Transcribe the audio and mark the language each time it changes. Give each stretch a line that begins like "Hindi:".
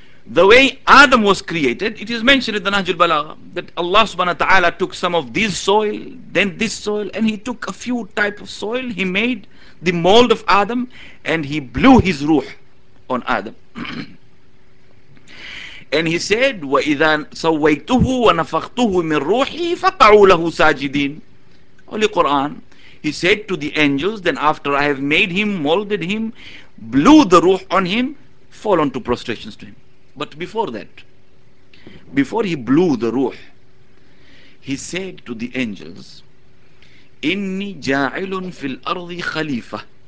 English: The way Adam was created, it is mentioned in the Nahjul Balagha that Allah subhanahu wa ta'ala took some of this soil, then this soil, and he took a few type of soil. He made the mold of Adam and he blew his ruh on Adam. And he said,
Arabic: وَإِذَا سَوَّيْتُهُ وَنَفَخْتُهُ مِنْ رُوحِي فَقَعُوا لَهُ سَاجِدِينَ.
English: Holy Quran, he said to the angels, then after I have made him, molded him, blew the ruh on him, fall onto prostrations to him. But before that, before he blew the ruh, he said to the angels,
Arabic: إِنِّي جَاعِلٌ فِي الْأَرْضِ خَلِيفَةً.